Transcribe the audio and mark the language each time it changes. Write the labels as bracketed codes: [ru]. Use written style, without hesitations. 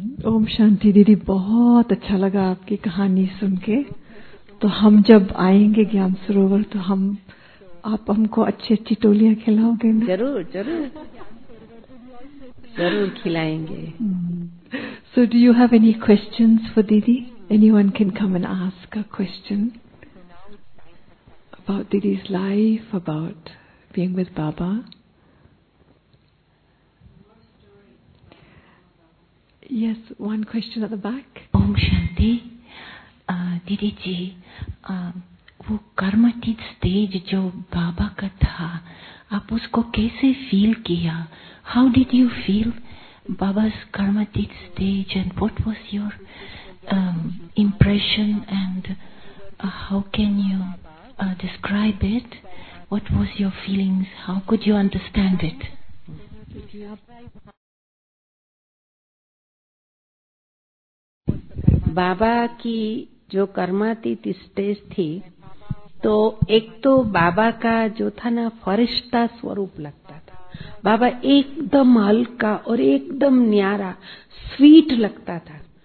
[hi] ओम शांति दीदी, बहुत अच्छा लगा आपकी कहानी सुन के। तो हम जब आएंगे ज्ञान सरोवर तो हम, आप हमको अच्छी अच्छी टोलियां खिलाओगे ना? जरूर जरूर जरूर खिलाएंगे। [en] So do you have any questions for Didi? Anyone can come and ask a question about Didi's life, about being with Baba. Yes, one question at the back. Om Shanti. [hi] Didi ji, वो कर्मतीत stage जो बाबा का था, आप उसको कैसे feel किया? [en] How did you feel Baba's कर्मतीत stage and what was your impression and how can you describe it? What was your feelings? How could you understand it? [hi] बाबा की जो कर्मतीत स्टेज थी तो एक तो बाबा का जो था ना फरिश्ता स्वरूप लगता था. बाबा एकदम हल्का और एकदम न्यारा स्वीट लगता था.